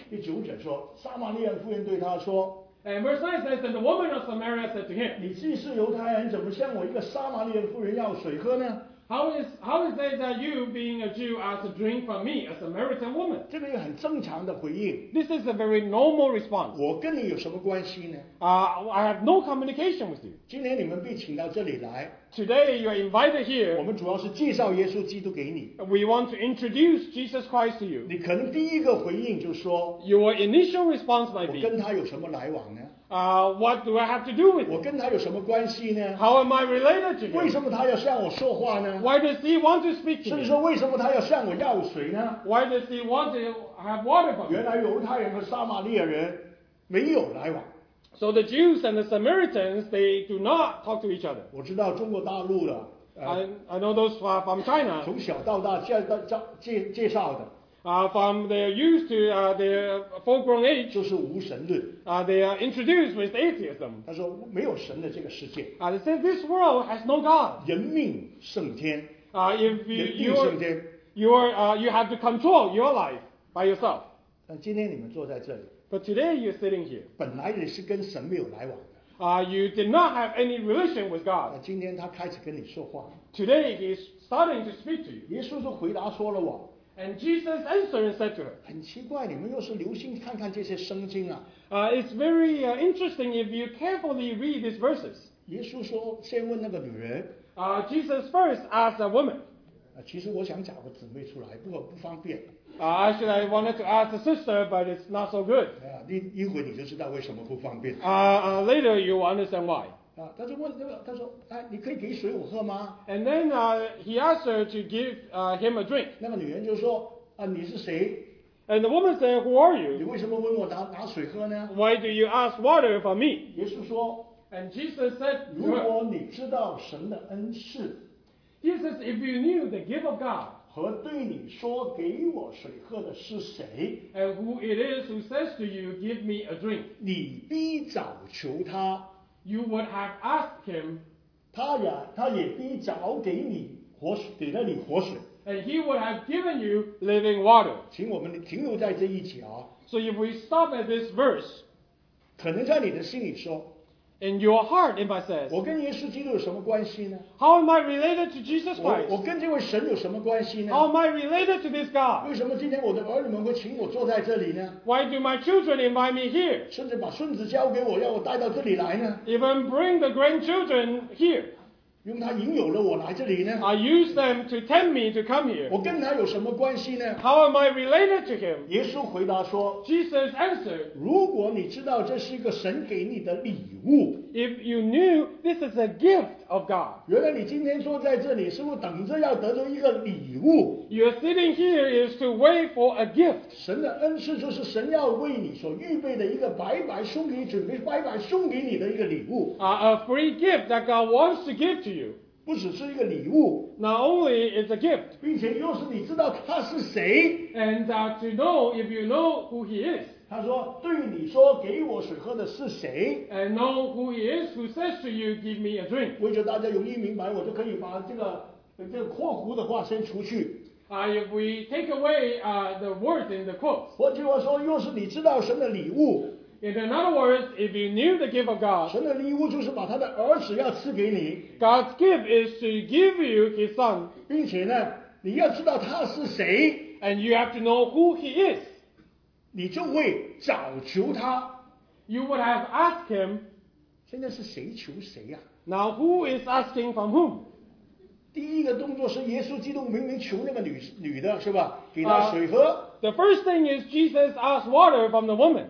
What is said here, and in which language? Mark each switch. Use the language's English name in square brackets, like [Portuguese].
[Chinese] 第九节说, 撒玛利亚妇人对她说, [English] and verse 9 says, and the woman of Samaria said to him, [Chinese] 你既是犹太人, 怎么向我一个撒玛利亚妇人要水喝呢? [English] How is it that you, being a Jew, ask a drink from me, a Samaritan woman? [Chinese] 这个也很正常的回应, [English] this is a very normal response. [Chinese] 我跟你有什么关系呢? [English] I have no communication with you. [Chinese] 今天你们被请到这里来, [English] today you are invited here. [Chinese] 我们主要是介绍耶稣基督给你, [English] we want to introduce Jesus Christ to you. [Chinese] 你可能第一个回应就说, [English] your initial response might be, [Chinese] 我跟他有什么来往呢? [English] What do I have to do with? [Chinese] 我跟他有什么关系呢? [English] How am I related to him? [Chinese] 为什么他要向我说话呢? [English] Why does he want to speak to me? [Chinese] 甚至说为什么他要向我要水呢? [English] Why does he want to have water from me? [Chinese] 原来犹太人和撒玛利亚人没有来往。 [English] So the Jews and the Samaritans, they do not talk to each other. [Chinese] 我知道中国大陆的, [English] I know those from China. [Chinese] 从小到大介绍的, [English] from their youth to their full-grown age, [Chinese] 就是无神论, [English] they are introduced with atheism. [Chinese] 他说没有神的这个世界, [English] they say this world has no God. [Chinese] 人命胜天, [English] you have to control your life by yourself. [Chinese] 但今天你们坐在这里, [English] but today you're sitting here. [Chinese] 本来也是跟神没有来往, [English] you did not have any relation with God. [Chinese] 今天他开始跟你说话, [English] today he's starting to speak to you. [Chinese] 耶稣就回答说了我, [English] and Jesus answered and said to her, [Chinese] 很奇怪, 你们又是留心看看这些圣经啊, [English] it's very interesting if you carefully read these verses. [Chinese] 耶稣说, 先问那个女人, [English] Jesus first asked a woman, [Chinese] 其实我想找个姊妹出来, 不方便, [English] actually I wanted to ask a sister, but it's not so good. [Chinese] 一会你就知道为什么不方便, [English] later you will understand why. [Chinese] 他就问,他说, 哎, 你可以给水我喝吗? [English] And then he asked her to give him a drink. [Chinese] 那个女人就说, 啊, 你是谁? [English] And the woman said, who are you? [Chinese] 你为什么问我拿水喝呢? [English] Why do you ask water for me? [Chinese] 耶稣说, [English] and Jesus said, [Chinese] 如果你知道神的恩赐, [English] Jesus, if you knew the gift of God, [Chinese] 和对你说给我水喝的是谁? [English] And who it is who says to you, give me a drink. [Chinese] 你必早求他, [English] you would have asked him, [Chinese] 他也必早给你活水, [English] and he would have given you living water. [Chinese] 请我们停留在这一节啊, [English] so if we stop at this verse, [Chinese] 可能在你的心里说, [English] in your heart, if I says, [Chinese] 我跟耶稣基督有什么关系呢？ [English] How am I related to Jesus Christ? [Chinese] 我跟这位神有什么关系呢？ [English] How am I related to this God? [Chinese] 为什么今天我的儿女们会请我坐在这里呢？ [English] Why do my children invite me here? [Chinese] 甚至把孙子交给我，让我带到这里来呢？ [English] Even bring the grandchildren here. [Chinese] 用他引诱了我来这里呢？ [English] I use them to tempt me to come here. [Chinese] 我跟他有什么关系呢？ [English] How am I related to him? [Chinese] 耶稣回答说， [English] Jesus answered, [Chinese] 如果你知道这是一个神给你的礼物， [English] If you knew this is a gift of God, [Chinese] 原来你今天坐在这里，是不是等着要得到一个礼物？ [English] You are sitting here is to wait for a gift. [Chinese] 神的恩赐就是神要为你所预备的一个白白送给你，准备白白送给你的一个礼物。 [English] A free gift that God wants to give to you. [Chinese] 不只是一个礼物， [English] Not only is a gift, [Chinese] 并且又是你知道他是谁。 [English] And to know if you know who he is. [Chinese] 他说对你说给我水喝的是谁？ [English] And know who he is who says to you, give me a drink. [Chinese] 为着大家容易明白，我就可以把这个括弧的话先除去。 [English] If we take away the words in the quotes. [Chinese] 换句话说，又是你知道神的礼物。 [English] In other words, if you knew the gift of God, [Chinese] 神的礼物就是把他的儿子要赐给你。 [English] God's gift is to give you his son. [Chinese] 并且呢，你要知道他是谁。 [English] And you have to know who he is. [Chinese] 你就会找求他。 [English] You would have asked him. [Chinese] 现在是谁求谁呀？ [English] Now who is asking from whom? [Chinese] 第一个动作是耶稣基督明明求那个 女的是吧？给她水喝。 [English] The first thing is Jesus asked water from the woman.